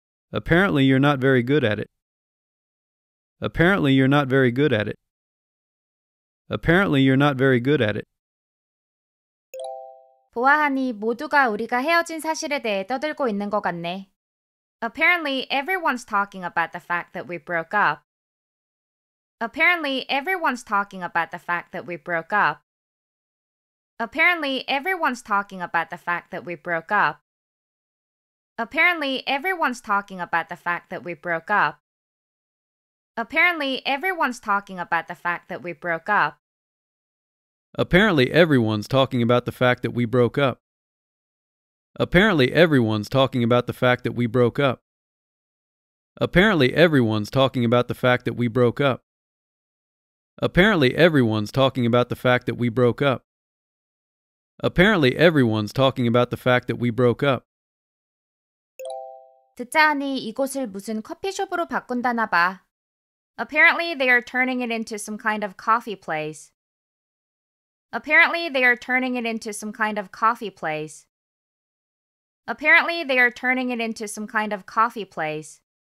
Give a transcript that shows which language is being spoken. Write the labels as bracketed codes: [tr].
[en] Apparently, you're not very good at it. Apparently, you're not very good at it. Apparently, you're not very good at it. [ko] 보아하니 모두가 우리가 헤어진 사실에 대해 떠들고 있는 것 같네. [en] Apparently, everyone's talking about the fact that we broke up. Apparently, everyone's talking about the fact that we broke up. Apparently, everyone's talking about the fact that we broke up. Apparently, everyone's talking about the fact that we broke up. Apparently, everyone's talking about the fact that we broke up. Apparently, everyone's talking about the fact that we broke up. Apparently, everyone's talking about the fact that we broke up. Apparently, everyone's talking about the fact that we broke up. Apparently, everyone's talking about the fact that we broke up. Apparently, everyone's talking about the fact that we broke up. [ko] 듣자하니 이곳을 무슨 커피숍으로 바꾼다나 봐. [en] Apparently, they are turning it into some kind of coffee place. Apparently, they are turning it into some kind of coffee place. Apparently, they are turning it into some kind of coffee place.